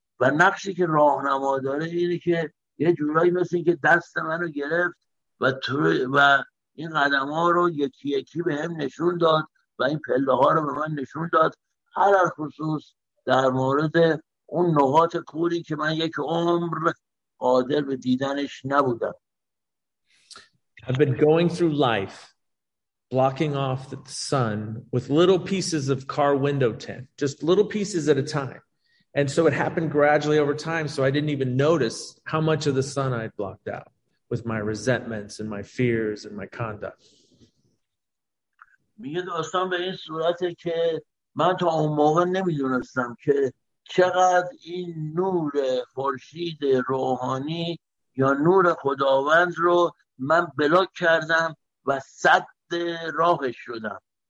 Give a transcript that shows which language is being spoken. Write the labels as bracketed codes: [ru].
[fa] و نقشی که راهنما داره اینه که یه جورایی مثل این که دست منو گرفت و این قدم ها رو یکی یکی به هم نشون داد و این پله ها رو به من نشون داد، هر خصوص در مورد اون نقاط کوری که من یک عمر قادر به دیدنش نبودم. [en] I've been going through life blocking off the sun with little pieces of car window tint, just little pieces at a time. And so it happened gradually over time, so I didn't even notice how much of the sun I'd blocked out with my resentments and my fears and my conduct. [fa] میگه داستان به این صورته که من تا اون موقع نمیدونستم که چقدر این نور خورشید روحانی یا نور خداوند رو من بلاک کردم و سد راهش شدم.